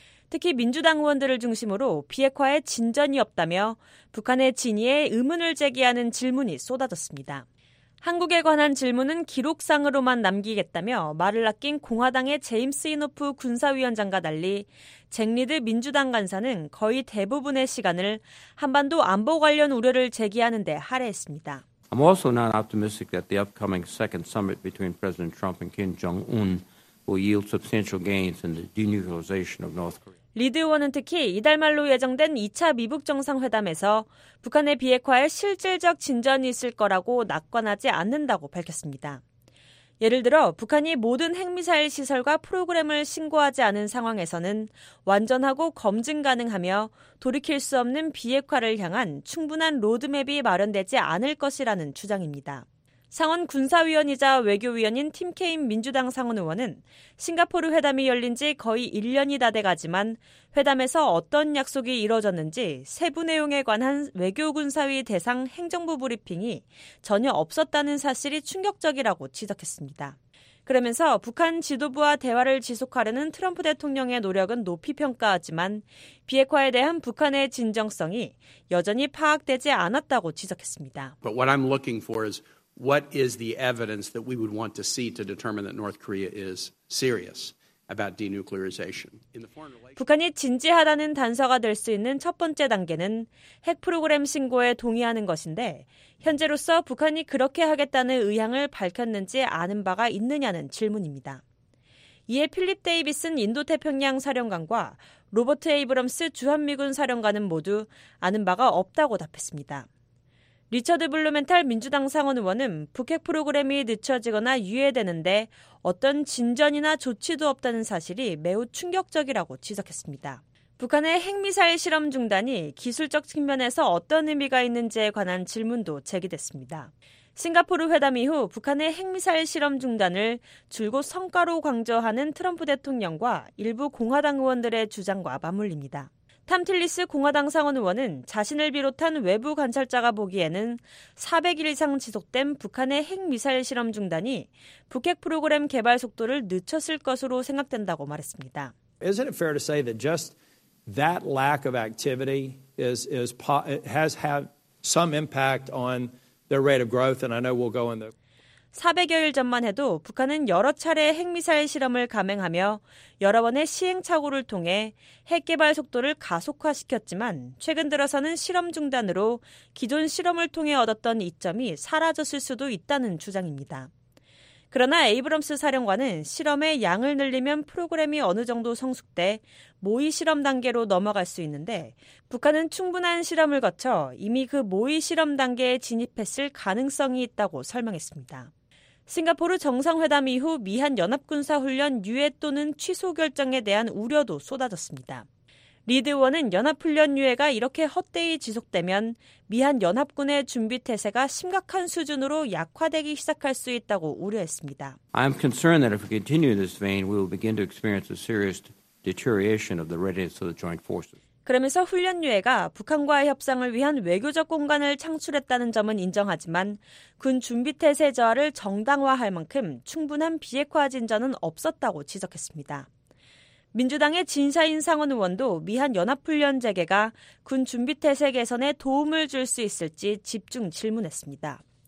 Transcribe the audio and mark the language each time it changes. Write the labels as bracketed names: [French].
[Korean] 특히 민주당 의원들을 중심으로 비핵화에 진전이 없다며 북한의 진위에 의문을 제기하는 질문이 쏟아졌습니다. 한국에 관한 질문은 기록상으로만 남기겠다며 말을 아낀 공화당의 제임스 이노프 군사위원장과 달리 잭리드 민주당 간사는 거의 대부분의 시간을 한반도 안보 관련 우려를 제기하는 데 할애했습니다. [English] I'm also not optimistic that the upcoming second summit between President Trump and Kim Jong-un will yield substantial gains in the denuclearization of North Korea. [Korean] 리드 의원은 특히 이달 말로 예정된 2차 미북 정상회담에서 북한의 비핵화에 실질적 진전이 있을 거라고 낙관하지 않는다고 밝혔습니다. 예를 들어 북한이 모든 핵미사일 시설과 프로그램을 신고하지 않은 상황에서는 완전하고 검증 가능하며 돌이킬 수 없는 비핵화를 향한 충분한 로드맵이 마련되지 않을 것이라는 주장입니다. 상원 군사위원이자 외교위원인 팀 케인 민주당 상원 의원은 싱가포르 회담이 열린 지 거의 1년이 다 돼가지만 회담에서 어떤 약속이 이뤄졌는지 세부 내용에 관한 외교군사위 대상 행정부 브리핑이 전혀 없었다는 사실이 충격적이라고 지적했습니다. 그러면서 북한 지도부와 대화를 지속하려는 트럼프 대통령의 노력은 높이 평가하지만 비핵화에 대한 북한의 진정성이 여전히 파악되지 않았다고 지적했습니다. [English] But what I'm looking for is What is the evidence that we would want to see to determine that North Korea is serious about denuclearization? [Korean] 북한이 진지하다는 단서가 될 수 있는 첫 번째 단계는 핵 프로그램 신고에 동의하는 것인데 현재로서 북한이 그렇게 하겠다는 의향을 밝혔는지 아는 바가 있느냐는 질문입니다. 이에 필립 데이비슨 인도태평양 사령관과 로버트 에이브럼스 주한미군 사령관은 모두 아는 바가 없다고 답했습니다. 리처드 블루멘탈 민주당 상원 의원은 북핵 프로그램이 늦춰지거나 유예되는데 어떤 진전이나 조치도 없다는 사실이 매우 충격적이라고 지적했습니다. 북한의 핵미사일 실험 중단이 기술적 측면에서 어떤 의미가 있는지에 관한 질문도 제기됐습니다. 싱가포르 회담 이후 북한의 핵미사일 실험 중단을 줄곧 성과로 강조하는 트럼프 대통령과 일부 공화당 의원들의 주장과 맞물립니다. 탐틸리스 공화당 상원 의원은 자신을 비롯한 외부 관찰자가 보기에는 400일 이상 지속된 북한의 핵미사일 실험 중단이 북핵 프로그램 개발 속도를 늦췄을 것으로 생각된다고 말했습니다. [English] Isn't it fair to say that just that lack of activity has had some impact on their rate of growth? And I know we'll go in there. [Korean] 400여일 전만 해도 북한은 여러 차례 핵미사일 실험을 감행하며 여러 번의 시행착오를 통해 핵 개발 속도를 가속화시켰지만 최근 들어서는 실험 중단으로 기존 실험을 통해 얻었던 이점이 사라졌을 수도 있다는 주장입니다. 그러나 에이브럼스 사령관은 실험의 양을 늘리면 프로그램이 어느 정도 성숙돼 모의 실험 단계로 넘어갈 수 있는데 북한은 충분한 실험을 거쳐 이미 그 모의 실험 단계에 진입했을 가능성이 있다고 설명했습니다. 싱가포르 정상회담 이후 미한 연합군사훈련 유예 또는 취소 결정에 대한 우려도 쏟아졌습니다. 리드 의원은 연합훈련 유예가 이렇게 헛되이 지속되면 미한 연합군의 준비태세가 심각한 수준으로 약화되기 시작할 수 있다고 우려했습니다. [English] I am concerned that if we continue in this vein, we will begin to experience a serious deterioration of the readiness of the joint forces. [Korean] 그러면서 훈련 유예가 북한과의 협상을 위한 외교적 공간을 창출했다는 점은 인정하지만 군 준비태세 저하를 정당화할 만큼 충분한 비핵화 진전은 없었다고 지적했습니다. 민주당의 진샤인 상원 의원도 미한 연합훈련 재개가 군 준비태세 개선에 도움을 줄 수 있을지 집중 질문했습니다.